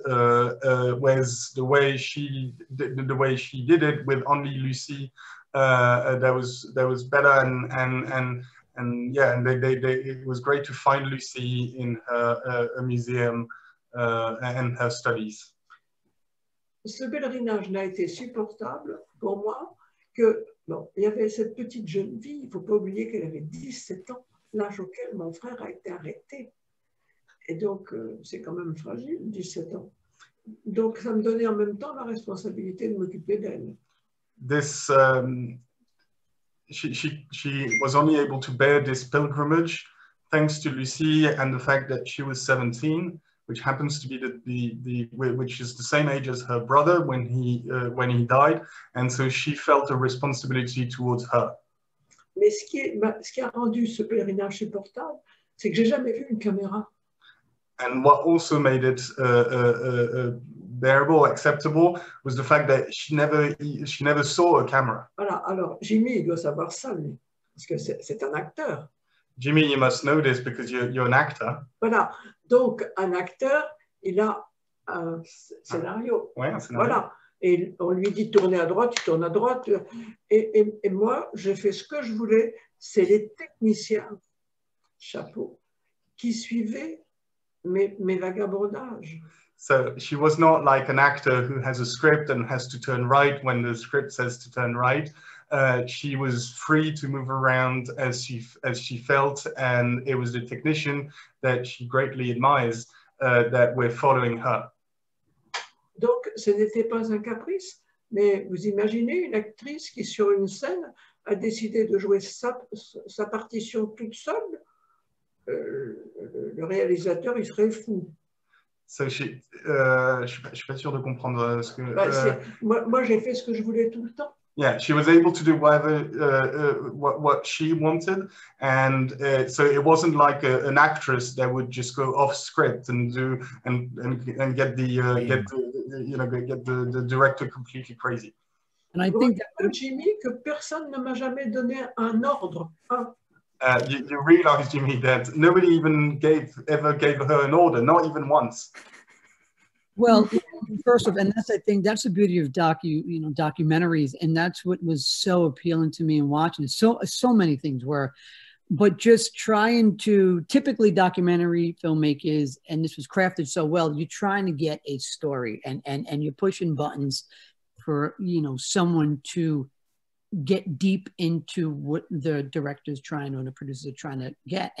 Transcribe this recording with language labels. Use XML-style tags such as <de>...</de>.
<en>Whereas the way she did it with only Lucy, that was better. And it was great to find Lucy in her museum and her studies.</en> <fr>Ce pèlerinage n'a été supportable pour moi que. Bon, il y avait cette petite jeune fille, il ne faut pas oublier qu'elle avait 17 ans, l'âge auquel mon frère a été arrêté. Et donc, c'est quand même fragile, 17 ans. Donc, ça me donnait en même temps la responsabilité de m'occuper d'elle.</fr> <en>This, she was only able to bear this pilgrimage thanks to Lucy and the fact that she was 17, which happens to be which is the same age as her brother when he died, and so she felt a responsibility towards her.</en> <fr>Mais ce qui a rendu ce pèlerinage supportable, c'est que j'ai jamais vu une caméra.</fr> <en>And what also made it bearable, acceptable, was the fact that she never saw a camera.</en> <fr>Voilà. Alors Jimmy, il doit savoir ça, lui, parce que c'est un acteur.</fr> <en>Jimmy, you must know this because you're an actor.</en> <fr>Voilà. Donc, un acteur, il a un scénario. Ouais, un scénario. Voilà. Et on lui dit tourner à droite, il tourne à droite. Et moi, j'ai fait ce que je voulais. C'est les techniciens, chapeau, qui suivaient mes vagabondages.</fr> <en>So, she was not like an actor who has a script and has to turn right when the script says to turn right. She was free to move around as she felt, and it was the technician that she greatly admires that were following her.</en> <fr>Donc, ce n'était pas un caprice, mais vous imaginez une actrice qui, sur une scène, a décidé de jouer sa partition toute seule. Le réalisateur, il serait fou. So je suis pas sûr de comprendre ce que. Moi, j'ai fait ce que je voulais tout le temps.</fr> <en>Yeah, she was able to do whatever what she wanted, and so it wasn't like an actress that would just go off script and get the director completely crazy. And I think</en> <fr>Jimmy, que personne ne m'a jamais donné un ordre.</fr> <en>You realize, Jimmy, that nobody even ever gave her an order, not even once. Well, first of all, and that's, I think that's the beauty of documentaries, and that's what was so appealing to me in watching. So many things were, but just trying to, typically documentary filmmakers, and this was crafted so well, you're trying to get a story and you're pushing buttons for, you know, someone to get deep into what the director's trying or the producers are trying to get.</en>